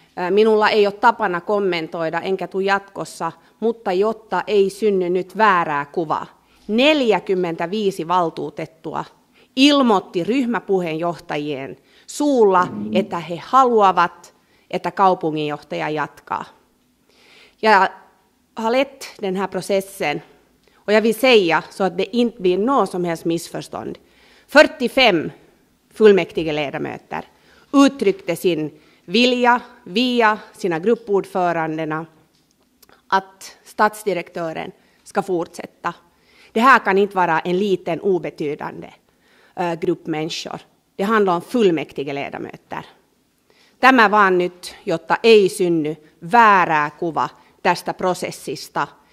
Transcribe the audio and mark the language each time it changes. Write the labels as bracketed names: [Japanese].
[Finnish] Minulla ei ole tapana kommentoida, enkä tule jatkossa, mutta jotta ei synny nyt väärää kuvaa. 45 valtuutettua ilmoitti ryhmäpuheenjohtajien suulla, että he haluavat, että kaupunginjohtaja jatkaa. [Swedish] Ja halet den här processen. Och jag vill säga så att det inte blir något som helst missförstånd. 45 fullmäktigeledamöter uttryckte sin vilja via sina gruppordförandena att statsdirektören ska fortsätta. Det här kan inte vara en liten obetydande grupp människor. Det handlar om fullmäktigeledamöter. [Finnish] Tämä vaan nyt, jotta ei synny väärää kuva tästä prosessista.